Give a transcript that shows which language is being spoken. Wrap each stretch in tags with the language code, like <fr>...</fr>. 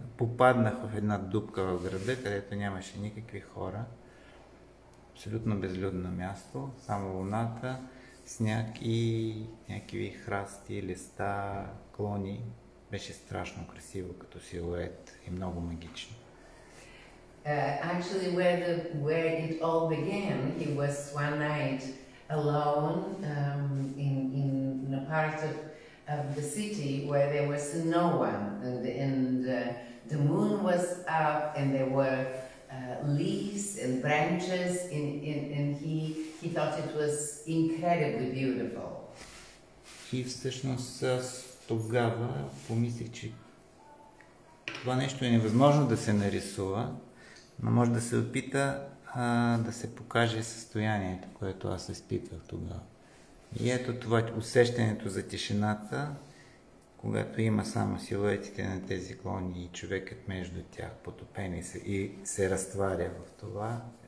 <bg>Попаднах в една дупка в града, където нямаше никакви хора. Абсолютно безлюдно място, само луната, сняг и някакви храсти, листа, клони. Беше страшно красиво като силует и много магично.</bg> <en>Actually, where it all began, he was one night alone in a part of the city where there was no one, and the moon was up, and there were leaves and branches, and he thought it was incredibly beautiful.</en> <bg>И всъщност аз тогава помислих, че това нещо е невъзможно да се нарисува. Но може да се опита да се покаже състоянието, което аз изпитвах тогава. И ето това усещането за тишината, когато има само силуетите на тези клони и човекът между тях потопени се и се разтваря в това.</bg>